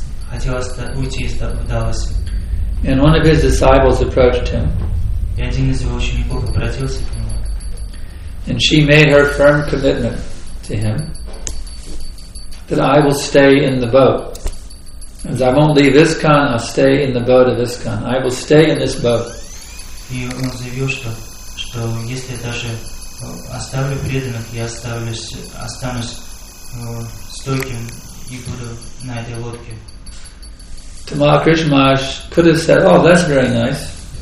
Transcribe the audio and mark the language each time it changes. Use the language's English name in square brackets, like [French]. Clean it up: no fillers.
[Russian] Хотелось уйти из Далласа. [English] And one of his disciples approached him. [Russian] И один из его учеников обратился к нему. [English] And she made her firm commitment to him that I will stay in the boat. As I won't leave ISKCON, I'll stay in the boat of ISKCON. I will stay in this boat. [Russian] И он заявил, что если я даже оставлю преданных, я останусь стойким и буду на этой лодке. [English] Tamal Krishna Maharaj could have said, "Oh, that's very nice."